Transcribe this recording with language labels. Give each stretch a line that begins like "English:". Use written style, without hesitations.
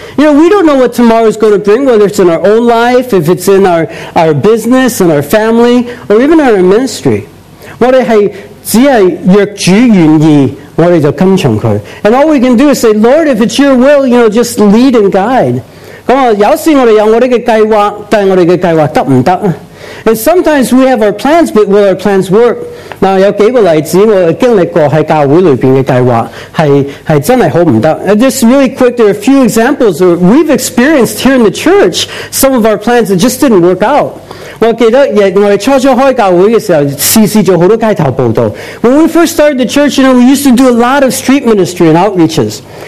English: You know, we don't know what tomorrow is going to bring, whether it's in our own life, if it's in our business, in our family, or even in our ministry.
Chinese: 我们只是若主愿意，我们就跟从祂。
English: And all we can do is say, Lord, if it's your will, you know, just lead and guide.
Chinese: 有时我们有我们的计划，但我们的计划行不行？
English: And sometimes we have our plans, but will our plans work?
Chinese: 有几个例子我经历过在教会里面的计划是真的很不行。
English: Just really quick, there are a few examples that we've experienced here in the church, some of our plans that just didn't work out.
Chinese: 我记得我们初初开教会的时候，试试做很多街头报道。
English: When we first started the church, you know, we used to do a lot of street ministry and outreaches.